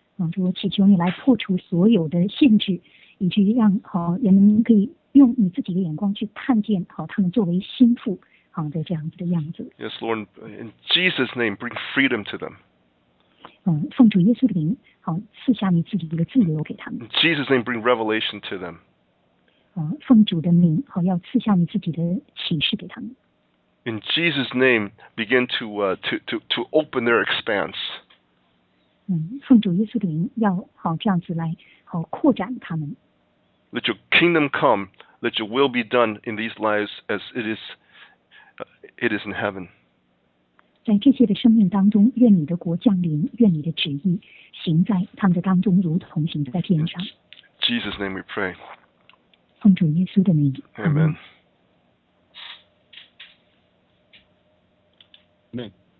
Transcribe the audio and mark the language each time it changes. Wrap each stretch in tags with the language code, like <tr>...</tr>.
<zh>主，我祈求你来破除所有的限制，以至于让人们可以用你自己的眼光去看见他们作为心腹的这样子的样子。</zh> <en>Yes, Lord, in Jesus' name, bring freedom to them.</en> <zh>奉主耶稣的名，赐下你自己的自由给他们。</zh> <en>In Jesus' name, bring revelation to them.</en> <zh>奉主的名，要赐下你自己的启示给他们。</zh> <en>In Jesus' name, begin to open their expanse.</en> <zh>奉主耶稣的名，要这样子来扩展他们。</zh> <en>Let your kingdom come, let your will be done in these lives as it is in heaven.</en> <zh>在这些的生命当中，愿你的国降临，愿你的旨意行在他们的当中，如同行在天上。</zh> <en>In Jesus' name we pray.</en> <zh>奉主耶稣的名。</zh> <en>Amen. Amen. Amen.</en>